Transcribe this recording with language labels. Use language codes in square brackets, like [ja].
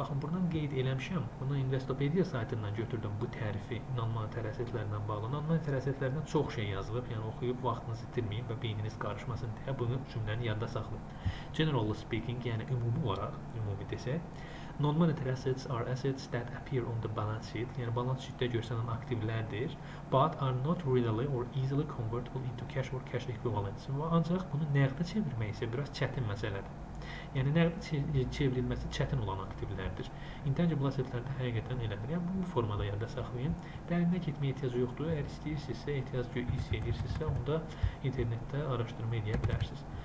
[az] Baxın, buradan qeyd eləmişəm. Bunu Investopedia saytından götürdüm bu tərifi non-monetary asset-lərlə bağlı. Non-monetary asset-lərdən çox şey yazılıb. Yəni, oxuyub vaxtınızı itirməyin və beyniniz qarışmasın deyə bunu cümləni yadda saxlayın. [en] Generally speaking, [az] yəni ümumi olaraq, ümumi desək, [en] non-monetary assets are assets that appear on the balance sheet. [az] Yəni, balance sheet-də görsənən aktivlərdir. [en] But are not readily or easily convertible into cash or cash equivalents. [az] Və ancaq bunu nəqdə çevirmək isə biraz çətin məsələdir. Yəni, nəqdə çevrilməsi çətin olan aktivlərdir. Intangible assets-lər də həqiqətən elədir. Yəni, bu formada yadda saxlayın. Dərinə getməyə ehtiyac yoxdur. Əgər istəyirsinizsə, ehtiyac hiss edirsinizsə, onda internetdə araşdırma edə bilərsiniz.